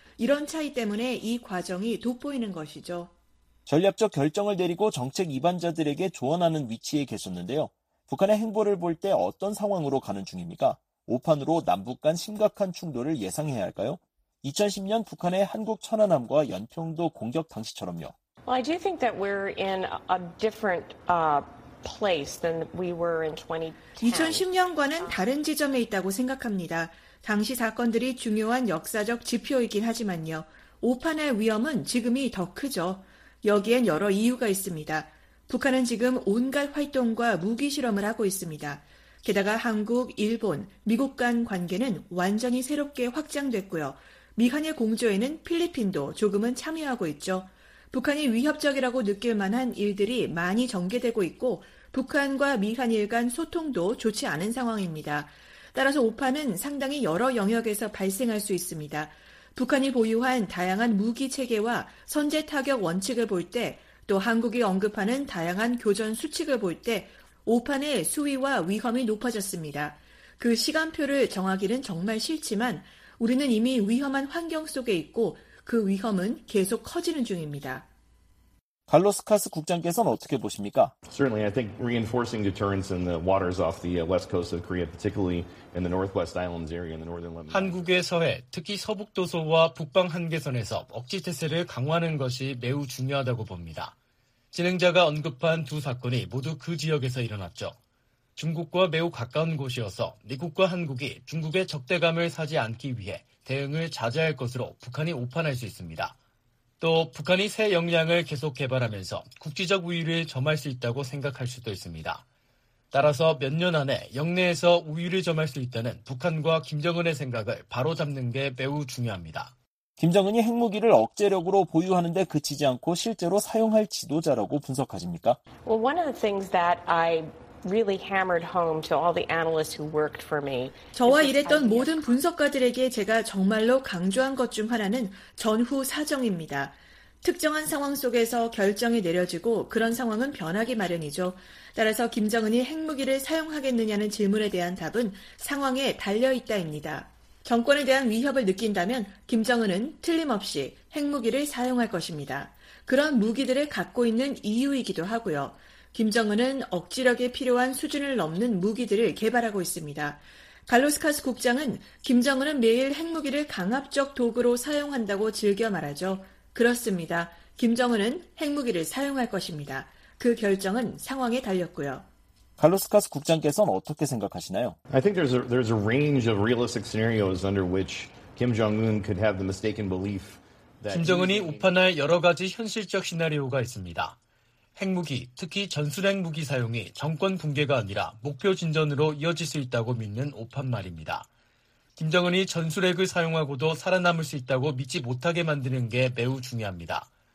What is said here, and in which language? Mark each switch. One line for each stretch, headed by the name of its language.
Korean: 이런 차이 때문에 이 과정이 돋보이는 것이죠. 전략적 결정을 내리고 정책 이반자들에게 조언하는 위치에 계셨는데요. 북한의 행보를 볼 때 어떤 상황으로 가는 중입니까? 5판으로 남북 간 심각한 충돌을 예상해야 할까요? 2010년 북한의 한국 천안함과 연평도 공격 당시처럼요.
English: Well, I do think that we're in a different place than we were in 2010.
Korean: 2010년과는 다른 지점에 있다고 생각합니다. 당시 사건들이 중요한 역사적 지표이긴 하지만요. 5판의 위험은 지금이 더 크죠. 여기엔 여러 이유가 있습니다. 북한은 지금 온갖 활동과 무기 실험을 하고 있습니다. 게다가 한국, 일본, 미국 간 관계는 완전히 새롭게 확장됐고요. 미한의 공조에는 필리핀도 조금은 참여하고 있죠. 북한이 위협적이라고 느낄 만한 일들이 많이 전개되고 있고 북한과 미한일 간 소통도 좋지 않은 상황입니다. 따라서 오판은 상당히 여러 영역에서 발생할 수 있습니다. 북한이 보유한 다양한 무기 체계와 선제 타격 원칙을 볼 때 또 한국이 언급하는 다양한 교전 수칙을 볼 때 오판의 수위와 위험이 높아졌습니다. 그 시간표를 정하기는 정말 싫지만 우리는 이미 위험한 환경 속에 있고 그 위험은 계속 커지는 중입니다. 칼로스 카스 국장께서는 어떻게 보십니까?
English: Certainly, I think reinforcing deterrence in the waters off the west coast of Korea, particularly in the Northwest Islands area in the northern limit.
Korean: 한국의 서해, 특히 서북도서와 북방 한계선에서 억지 태세를 강화하는 것이 매우 중요하다고 봅니다. 진행자가 언급한 두 사건이 모두 그 지역에서 일어났죠. 중국과 매우 가까운 곳이어서 미국과 한국이 중국의 적대감을 사지 않기 위해 대응을 자제할 것으로 북한이 오판할 수 있습니다. 또 북한이 새 역량을 계속 개발하면서 국지적 우위를 점할 수 있다고 생각할 수도 있습니다. 따라서 몇 년 안에 역내에서 우위를 점할 수 있다는 북한과 김정은의 생각을 바로잡는 게 매우 중요합니다. 김정은이 핵무기를 억제력으로 보유하는데 그치지 않고 실제로 사용할 지도자라고 분석하십니까?
English: Well, one of the things that I really hammered home to all the analysts who worked for me.
Korean: 저와 일했던 모든 분석가들에게 제가 정말로 강조한 것 중 하나는 전후 사정입니다. 특정한 상황 속에서 결정이 내려지고 그런 상황은 변하기 마련이죠. 따라서 김정은이 핵무기를 사용하겠느냐는 질문에 대한 답은 상황에 달려있다입니다. 정권에 대한 위협을 느낀다면 김정은은 틀림없이 핵무기를 사용할 것입니다. 그런 무기들을 갖고 있는 이유이기도 하고요. 김정은은 억지력이 필요한 수준을 넘는 무기들을 개발하고 있습니다. 갈로스카스 국장은 김정은은 매일 핵무기를 강압적 도구로 사용한다고 즐겨 말하죠. 그렇습니다. 김정은은 핵무기를 사용할 것입니다. 그 결정은 상황에 달렸고요. 갈로스카스 국장께서는 어떻게 생각하시나요?
English: I think there's a range of realistic scenarios under which Kim Jong-un could have the mistaken belief that
Korean: 김정은이 오판할 여러 가지 현실적 시나리오가 있습니다. 핵무기, 특히 전술 핵무기 사용이 정권 붕괴가 아니라 목표 진전으로 이어질 수 있다고 믿는 오판 말입니다. 김정은이 전술 핵을 사용하고도 살아남을 수 있다고 믿지 못하게 만드는 게 매우 중요합니다.